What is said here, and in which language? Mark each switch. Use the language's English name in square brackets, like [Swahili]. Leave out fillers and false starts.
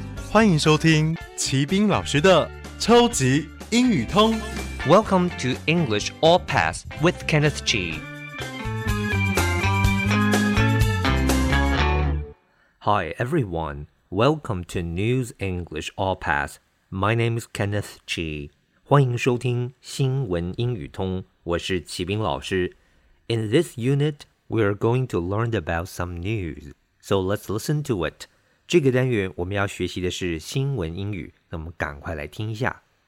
[Chinese] 欢迎收听齐宾老师的超级英语通。 [English] Welcome to English All Pass with Kenneth G. Hi everyone, welcome to News English All Pass. My name is Kenneth G. [Chinese] 欢迎收听新闻英语通，我是齐宾老师。 [English] In this unit, we are going to learn about some news. So let's listen to it. [Chinese] 这个单元我们要学习的是新闻英语，那我们赶快来听一下。